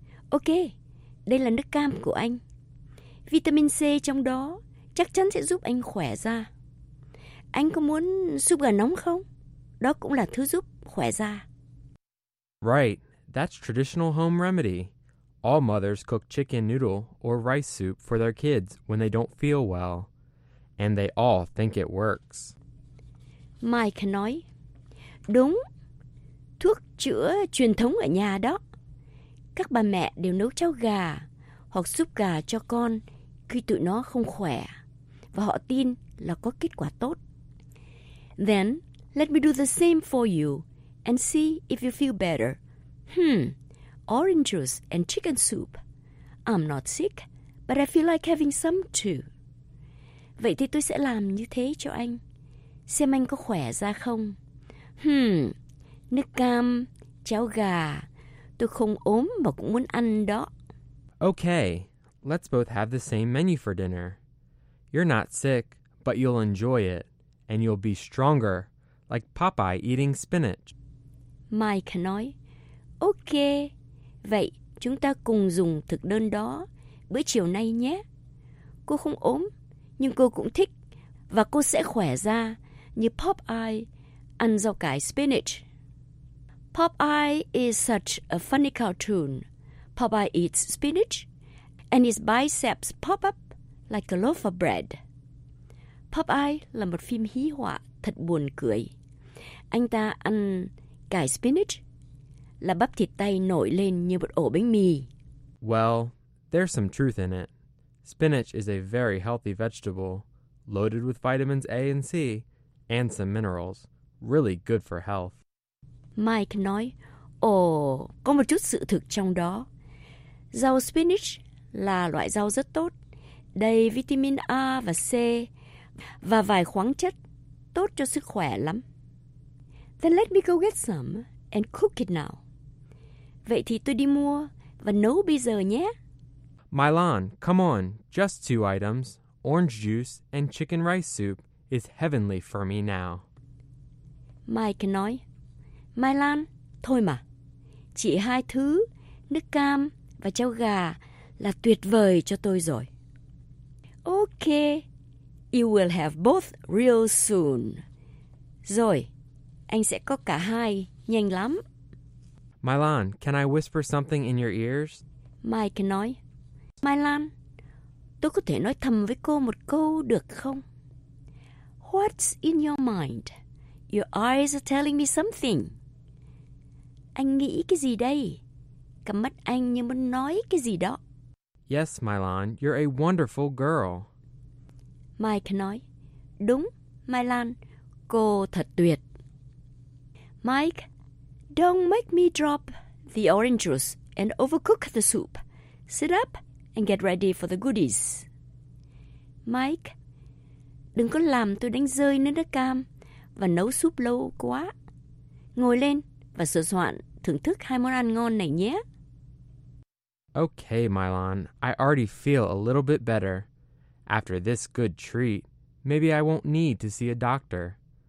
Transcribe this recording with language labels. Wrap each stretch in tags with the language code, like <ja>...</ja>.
<vi>Ok, đây là nước cam của anh. Vitamin C trong đó chắc chắn sẽ giúp anh khỏe da. Anh có muốn súp gà nóng không? Đó cũng là thứ giúp khỏe da.</vi> <en>Right, that's traditional home remedy. All mothers cook chicken noodle or rice soup for their kids when they don't feel well. And they all think it works.</en> <vi>Mike nói, đúng. Thuốc chữa truyền thống ở nhà đó. Các bà mẹ đều nấu cháo gà hoặc súp gà cho con khi tụi nó không khỏe và họ tin là có kết quả tốt.</vi> <en>Then, let me do the same for you and see if you feel better. Orange juice and chicken soup. I'm not sick, but I feel like having some too.</en> <vi>Vậy thì tôi sẽ làm như thế cho anh. Xem anh có khỏe ra không. Nước cam, cháo gà. Tôi không ốm mà cũng muốn ăn đó.</vi> <en>Okay, let's both have the same menu for dinner. You're not sick, but you'll enjoy it. And you'll be stronger, like Popeye eating spinach.</en> <vi>Mike nói, okay, vậy chúng ta cùng dùng thực đơn đó bữa chiều nay nhé. Cô không ốm, nhưng cô cũng thích và cô sẽ khỏe ra như Popeye ăn rau cải spinach.</vi> <en>Popeye is such a funny cartoon. Popeye eats spinach and his biceps pop up like a loaf of bread.</en> <vi>Popeye là một phim hí họa thật buồn cười. Anh ta ăn cải spinach là bắp thịt tay nổi lên như một ổ bánh mì.</vi> <en>Well, there's some truth in it. Spinach is a very healthy vegetable, loaded with vitamins A and C, and some minerals. Really good for health.</en> <vi>Mike nói, có một chút sự thực trong đó. Rau spinach là loại rau rất tốt, đầy vitamin A và C, và vài khoáng chất tốt cho sức khỏe lắm.</vi> <en>Then let me go get some and cook it now.</en> <vi>Vậy thì tôi đi mua và nấu bây giờ nhé.</vi> <en>Mylon, come on, just two items, orange juice and chicken rice soup is heavenly for me now.</en> <vi>Mike nói, Mylon, thôi mà, chỉ hai thứ, nước cam và cháo gà là tuyệt vời cho tôi rồi.</vi> <en>Okay, you will have both real soon.</en> <vi>Rồi, anh sẽ có cả hai, nhanh lắm.</vi> <en>Mylon, can I whisper something in your ears?</en> <vi>Mike nói, Mylon, tôi có thể nói thầm với cô một câu được không?</vi> <en>What's in your mind? Your eyes are telling me something.</en> <vi>Anh nghĩ cái gì đây? Cặp mắt anh như muốn nói cái gì đó.</vi> <en>Yes, Mylon, you're a wonderful girl.</en> <vi>Mike nói, đúng, Mylon, cô thật tuyệt.</vi> <en>Mike, don't make me drop the orange juice and overcook the soup. Sit up and get ready for the goodies.</en> <vi>Mike, đừng có làm tôi đánh rơi nước cam và nấu súp lâu quá. Ngồi lên và sửa soạn thưởng thức hai món ăn ngon này nhé.</vi> <en>Okay, Mylon, I already feel a little bit better. After this good treat, maybe I won't need to see a doctor.</en>